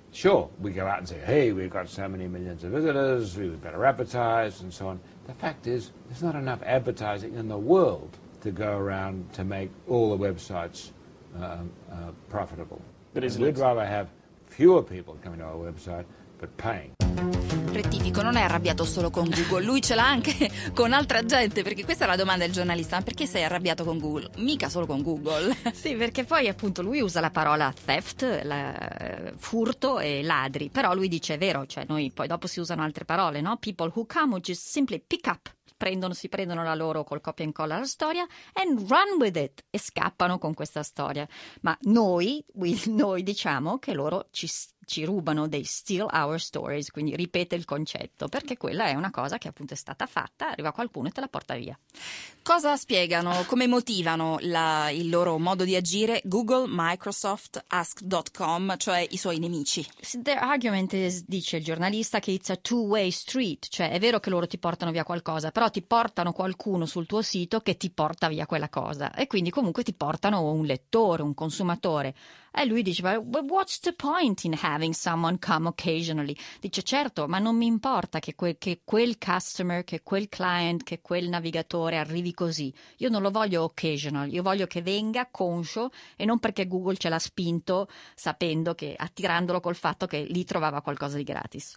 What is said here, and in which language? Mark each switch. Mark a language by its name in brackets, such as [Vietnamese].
[English] Sure, we go out and say, hey, we've got so many millions of visitors, we've better advertise and so on. The fact is, there's not enough advertising in the world to go around to make all the websites profitable. But isn't we'd rather have fewer people coming to our website, but paying. [Italian] Rettifico, non è arrabbiato solo con Google, lui ce l'ha anche con altra gente, perché questa è la domanda del giornalista, ma perché sei arrabbiato con Google? Mica solo con Google. Sì, perché poi appunto lui usa la parola theft, furto e ladri, però lui dice è vero, cioè noi poi dopo si usano altre parole, no? [English] People who come would just simply pick up. [Italian] Si prendono la loro col copia e incolla la storia [English] and run with it [Italian] e scappano con questa storia. Ma noi diciamo che loro ci rubano, [English] they steal our stories, [Italian] quindi ripete il concetto, perché quella è una cosa che appunto è stata fatta, arriva qualcuno e te la porta via. Cosa spiegano, come motivano il loro modo di agire? Google, Microsoft, Ask.com, cioè i suoi nemici. [English] Their argument is, [Italian] dice il giornalista, che [English] it's a two-way street, [Italian] cioè è vero che loro ti portano via qualcosa, però ti portano qualcuno sul tuo sito che ti porta via quella cosa e quindi comunque ti portano un lettore, un consumatore. E lui dice, [English] but what's the point in having someone come occasionally? [Italian] Dice, certo, ma non mi importa che quel customer, che quel client, che quel navigatore arrivi così. Io non lo voglio occasional, io voglio che venga conscio e non perché Google ce l'ha spinto sapendo che, attirandolo col fatto che lì trovava qualcosa di gratis.